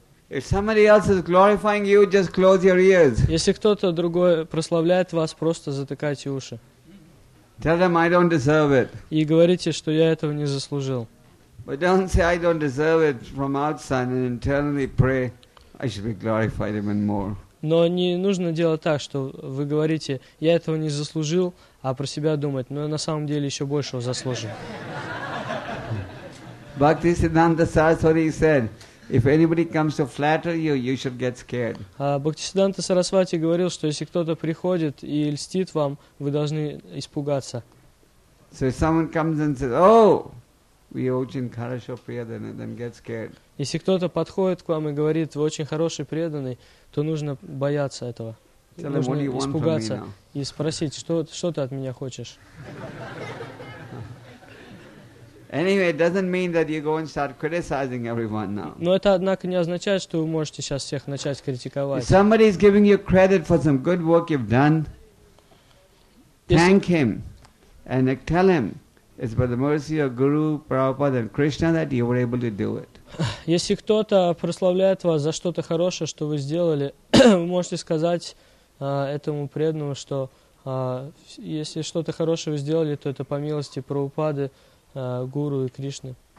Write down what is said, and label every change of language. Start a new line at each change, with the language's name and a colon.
English: If somebody else is glorifying you, just close your ears.
Russian: Если кто-то другой прославляет вас, просто затыкайте уши.
English: Tell them I don't deserve it.
Russian: И говорите, что я этого не заслужил.
English: But don't say I don't deserve it from outside and internally pray I should be glorified even more.
Russian: Но не нужно делать так, что вы говорите, я этого не заслужил, а про себя думать, но я на самом деле еще большего заслужил.
English: Bhaktisiddhanta Saraswati said, if anybody comes to flatter you, you should get scared.
Russian: Бхактисиддханта Сарасвати говорил, что если кто-то приходит и льстит вам, вы должны испугаться.
English: So if someone comes and says, "Oh, we
Russian: очень хорошо преданы,"
English: then get scared.
Russian: Если кто-то подходит к вам и говорит, вы очень хороший преданный, то нужно бояться этого.
English: Tell them,
Russian: нужно
English: what
Russian: испугаться
English: you want from me
Russian: и спросить, что ты от меня хочешь.
English: Anyway, it doesn't mean that you go and start criticizing everyone now.
Russian: Но это, однако, не означает, что вы можете сейчас всех начать критиковать.
English: If somebody is giving you credit for some good work you've done, thank him and tell him it's by the mercy of Guru, Prabhupada and Krishna that you were able to do it.
Russian: Если кто-то прославляет вас за что-то хорошее, что вы сделали, вы можете сказать этому преданному, что если что-то хорошее вы сделали, то это по милости Прабхупады, Гуру и Кришны.